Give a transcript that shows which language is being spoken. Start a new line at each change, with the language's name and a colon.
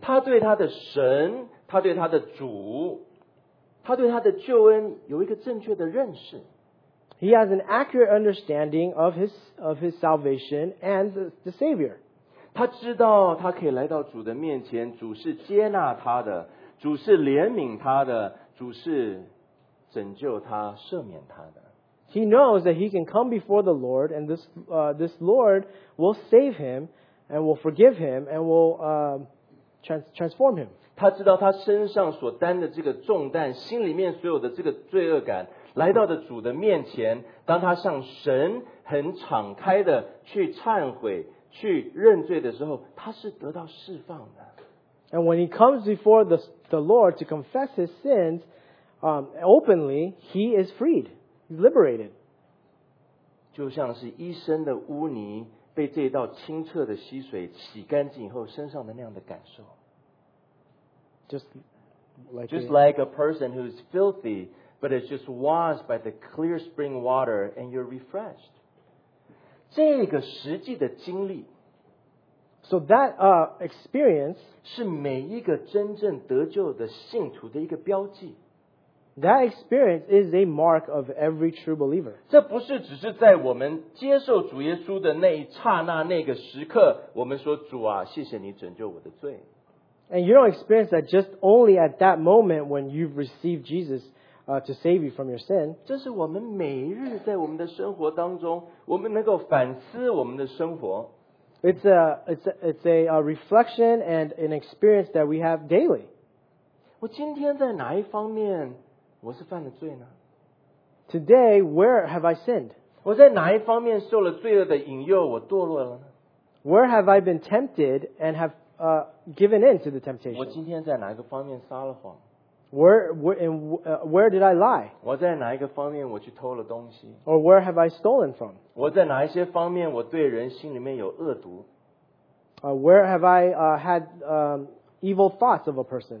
Chinese: 他对他的神，他对他的主，他对他的救恩有一个正确的认识。
English: He has an accurate understanding of his salvation and the Savior.
Chinese: 他知道他可以来到主的面前，主是接纳他的，主是怜悯他的，主是拯救他，赦免他的。
English: He knows that he can come before the Lord, and this Lord will save him, and will forgive him, and will transform him.
Chinese: 他知道他身上所担的这个重担，心里面所有的这个罪恶感，来到的主的面前，当他向神很敞开的去忏悔、去认罪的时候，他是得到释放的。
English: And when he comes before the Lord to confess his sins,openly, he is freed. He's liberated.
Chinese: 就像是一身的污泥被这道清澈的溪水洗干净以后身上的那样的感受。
English: Just like a person who's filthy, but is just washed by the clear spring water and you're refreshed.
Chinese: 这个实际的经历
English: So that experience
Chinese: 是每一个真正得救的信徒的一个标记。
English: That experience is a mark of every true believer.
Chinese: 这不是只是在我们接受主耶稣的那一刹那那个时刻我们说主啊谢谢你拯救我的罪。
English: And you don't experience that just only at that moment when you've received Jesus, to save you from your sin.
Chinese: 这是我们每日在我们的生活当中我们能够反思我们的生活。
English: It's a reflection and an experience that we have daily.
Chinese: 我今天在哪一方面我是犯了罪呢?
English: Today, where have I sinned?
Chinese: 我在哪一方面受了罪恶的引诱,我堕落了呢?
English: Where have I been tempted and have given in to the temptation?
Chinese: 我今天在哪一个方面撒了谎?
English: Where did I lie?
Chinese: 我在哪一个方面我去偷了东西?
English: Or where have I stolen from?
Chinese: 我在哪一些方面我对人心里面有恶毒?
English: Where have I had... evil thoughts of a person.